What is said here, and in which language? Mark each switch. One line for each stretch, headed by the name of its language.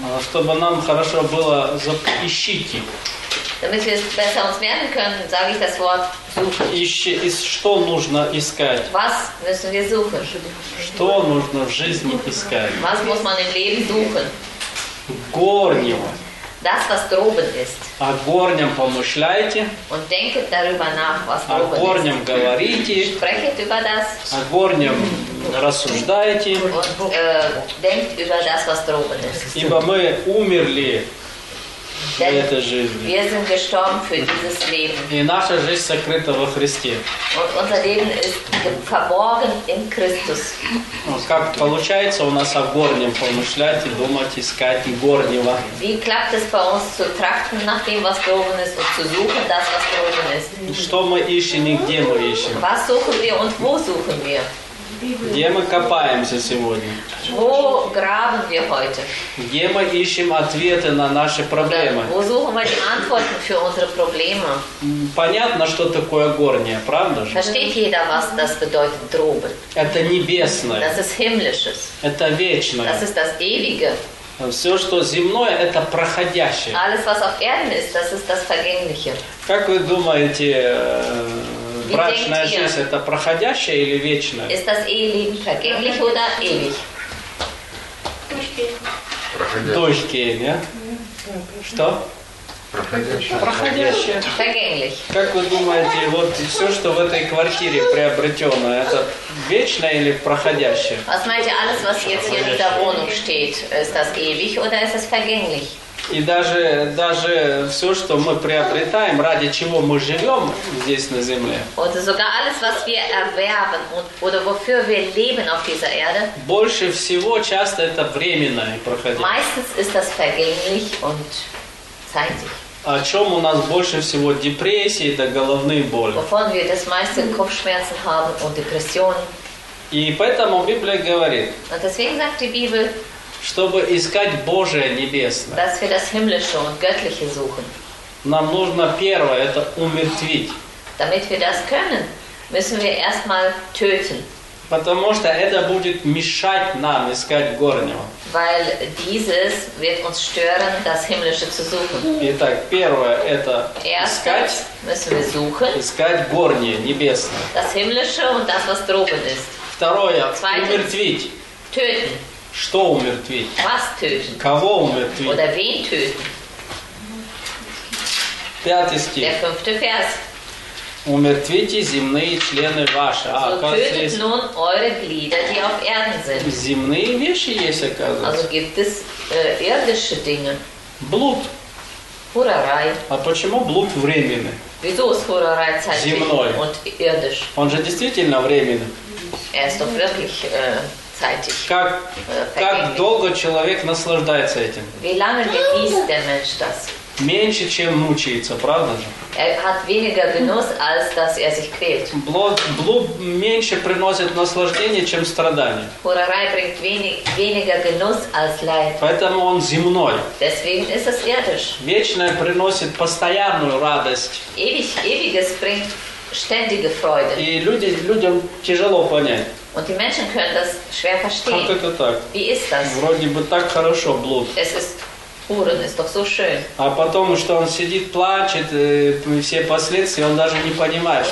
Russian: Чтобы нам хорошо было ищите.
German: Damit wir es besser uns merken können, sage ich das Wort suchen.
Russian: Что нужно искать?
German: Was müssen wir suchen?
Russian: Что нужно в жизни искать?
German: Was muss man im Leben suchen?
Russian: Горнего.
German: Das, was droben ist.
Russian: О горнем помышляйте.
German: Und denket darüber nach, was droben ist.
Russian: О горнем говорите.
German: Sprechet über das.
Russian: О горнем рассуждаете.
German: Und denkt über das, was droben ist.
Russian: Ибо мы умерли.
German: Wir sind gestorben für dieses Leben.
Russian: И наша жизнь сокрыта во Христе.
German: Und unser Leben ist verborgen in Christus.
Russian: Как получается у нас о горнем помышлять и думать, искать и горнего?
German: Wie klappt es bei uns zu trachten nach dem, was droben ist, und zu suchen das, was droben ist?
Russian: Что мы ищем и где мы ищем?
German: Was suchen wir und wo suchen wir?
Russian: Где мы копаемся сегодня?
German: Wo graben wir heute?
Russian: Где мы ищем ответы на наши проблемы?
German: Wo suchen wir die Antworten für unsere Probleme?
Russian: Понятно, что такое горнее, правда же?
German: Versteht jeder, was das bedeutet, droben?
Russian: Это небесное.
German: Das ist himmlisches.
Russian: Это вечное.
German: Das ist das ewige.
Russian: Все, что земное, это проходящее.
German: Alles, was auf Erden ist, das ist das vergängliche.
Russian: Как вы думаете, брачная жизнь – это проходящая или вечная?
German: Ist das ewig, vergänglich oder ewig?
Russian: Дочки, не? Что? Проходящая.
German: Vergänglich.
Russian: Как вы думаете, вот все, что в этой квартире приобретено, это вечное или проходящее?
German: Was meint ihr, alles, was jetzt hier in der Wohnung steht, ist das ewig oder ist es vergänglich?
Russian: И даже все, что мы приобретаем, ради чего мы живем здесь на земле.
German: Und sogar alles, was wir erwerben oder wofür wir leben auf dieser Erde.
Russian: Больше всего часто это временно и проходит.
German: Meistens ist das vergänglich und zeitig.
Russian: О чем у нас больше всего депрессии, это головные боли.
German: Wovon wir das meiste Kopfschmerzen haben und Depressionen.
Russian: И поэтому Библия говорит.
German: Und deswegen sagt die Bibel.
Russian: Чтобы искать Божие Небесное.
German: Dass wir das Himmlische und Göttliche suchen.
Russian: Нам нужно первое, это умертвить.
German: Damit wir das können, müssen wir erstmal töten.
Russian: Потому что это будет мешать нам искать горнего.
German: Weil dieses wird uns stören, das Himmlische zu suchen.
Russian: Итак, первое, это искать,
German: müssen wir suchen,
Russian: искать горнее, небесное.
German: Das Himmlische und das, was droben ist.
Russian: Второе, умертвить.
German: Töten.
Russian: Что умертвить?
German: Was töten?
Russian: Кого умертвить?
German: Oder wen töten?
Russian: Пятый стих.
German: Der fünfte Vers.
Russian: Умертвите земные члены ваши.
German: So tötet nun eure Glieder, die auf Erden sind.
Russian: Земные вещи есть, оказывается.
German: Also gibt es irdische Dinge.
Russian: Блуд.
German: Хурарай.
Russian: А почему блуд временный?
German: Wieso
Russian: скоро Земной.
German: Und irdisch.
Russian: Он же действительно временный.
German: Ist doch wirklich zeitig.
Russian: Как долго человек наслаждается этим?
German: Wie lange genießt der Mensch das?
Russian: Меньше, чем мучается, правда же?
German: Er hat weniger Genuss, als dass er sich quält.
Russian: Блуд меньше приносит наслаждение, чем страдание.
German: Хурарай bringt weniger Genuss als Leid.
Russian: Поэтому он земной.
German: Deswegen ist es irdisch.
Russian: Вечное приносит постоянную радость.
German: Ewiges bringt ständige Freude.
Russian: И людям тяжело понять.
German: Und die Menschen können das schwer verstehen.
Russian: Как это так?
German: Wie ist das?
Russian: Вроде бы так хорошо, блуд. Es ist Урон, это все шин. А потом, что он сидит, плачет, все последствия, он даже не понимает,